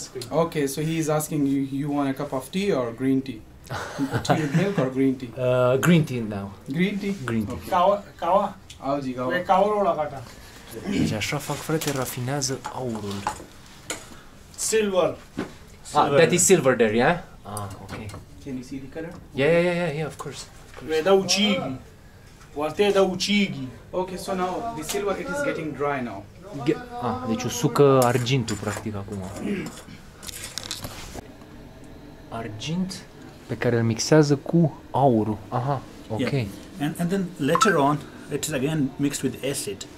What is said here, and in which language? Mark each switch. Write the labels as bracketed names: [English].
[English] Okay, so he is asking you want a cup of tea or green tea? Tea with milk or green tea? Green tea now. Green tea. Green tea. Kawa. [Romanian] Auzi, kawa. Pe aurul ăla gata. Deci așa fac, frate, rafinează aurul. [English] Silver. Ah, that is silver there, yeah? Ah, okay. Can you see the color? Yeah, of course. Da ucigi. Poate da ucigi. Ok, so now the silver it is getting dry now. [Romanian] Deci usucă argintul practic acum. Argint pe care îl mixează cu aurul. [English] Aha. Ok. Yeah. And then later on it is again mixed with acid.